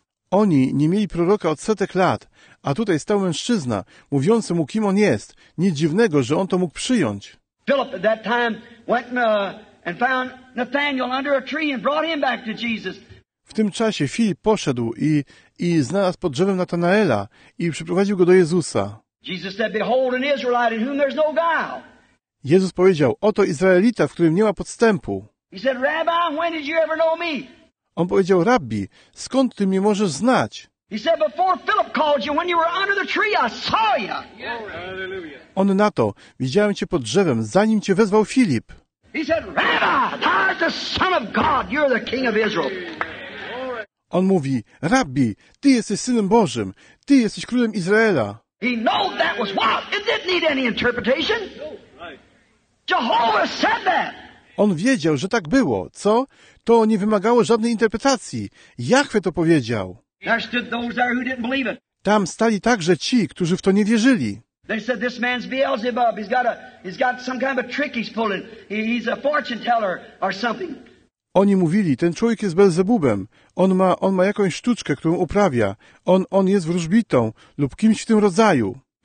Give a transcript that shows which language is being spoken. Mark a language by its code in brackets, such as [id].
[pl] Oni nie mieli proroka od setek lat, a tutaj stał mężczyzna, mówiący mu, kim on jest. Nic dziwnego, że on to mógł przyjąć. [en] Philip at that time went and found Nathaniel under a tree and brought him back to Jesus. [pl] W tym czasie Filip poszedł i znalazł pod drzewem Natanaela i przyprowadził go do Jezusa. [en] Jesus said, "Behold, an Israelite in whom there's no guile." [pl] Jezus powiedział, oto Izraelita, w którym nie ma podstępu. [en] He said, "Rabbi, when did you ever know me?" [pl] On powiedział, Rabbi, skąd ty mnie możesz znać? [en] He said, "Before Philip called you, when you were under the tree, I saw you." Yeah. [pl] On na to, widziałem cię pod drzewem, zanim cię wezwał Filip. [en] He said, "Rabbi, thou art the Son of God. You're the King of Israel." [pl] On mówi, Rabbi, ty jesteś synem Bożym, ty jesteś królem Izraela. [en] He knew that was what. It didn't need any interpretation. Jehovah said that. [pl] On wiedział, że tak było. Co? To nie wymagało żadnej interpretacji. Jahwe to powiedział. [en] There stood those there who didn't believe it. [pl] Tam stali także ci, którzy w to nie wierzyli. [en] They said this man's Beelzebub. He's got some kind of a trick he's pulling. He's a fortune teller or something. [pl] Oni mówili, ten człowiek jest Belzebubem. On ma jakąś sztuczkę, którą uprawia. On jest wróżbitą lub kimś w tym rodzaju.